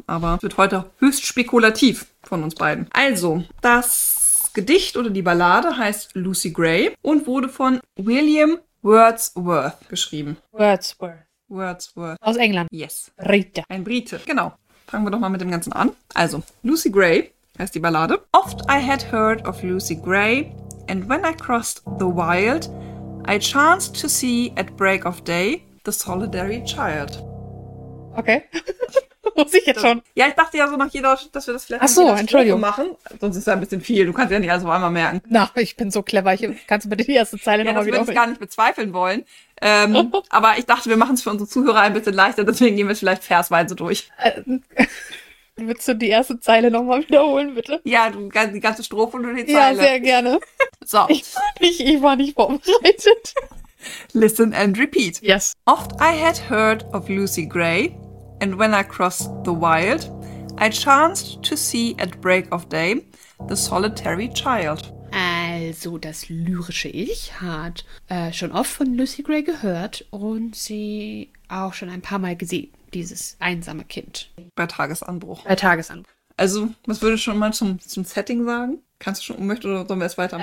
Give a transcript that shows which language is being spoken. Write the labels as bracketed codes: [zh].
[de] Aber es wird heute höchst spekulativ von uns beiden. Also, das Gedicht oder die Ballade heißt Lucy Gray und wurde von William Wordsworth geschrieben. Wordsworth. Aus England. [en] Yes. [de] Brite. Ein Brite. Genau. Fangen wir doch mal mit dem Ganzen an. Also, Lucy Gray heißt die Ballade. [en] Oft I had heard of Lucy Gray, and when I crossed the wild... I chanced to see at break of day the solitary child. [de] Okay. Muss ich jetzt schon? Ja, ich dachte ja so nach jeder, dass wir das vielleicht Ach so, Entschuldigung. Machen. Sonst ist es ja ein bisschen viel. Du kannst ja nicht alles auf einmal merken. Na, ich bin so clever. Kannst du bitte die erste Zeile nochmal wiederholen? Ja, das würde ich gar nicht bezweifeln wollen. aber ich dachte, wir machen es für unsere Zuhörer ein bisschen leichter. Deswegen gehen wir es vielleicht versweise durch. Würdest du die erste Zeile nochmal wiederholen, bitte? Ja, die ganze Strophe und die Zeile. Ja, sehr gerne. So. Ich war nicht vorbereitet. [en] Listen and repeat. Yes. Oft I had heard of Lucy Gray, and when I crossed the wild, I chanced to see at break of day the solitary child. [de] Also, das lyrische Ich hat schon oft von Lucy Gray gehört und sie auch schon ein paar Mal gesehen, dieses einsame Kind. Bei Tagesanbruch. Also, was würde schon mal zum Setting sagen? Kannst du schon möchten oder sollen wir es weitermachen?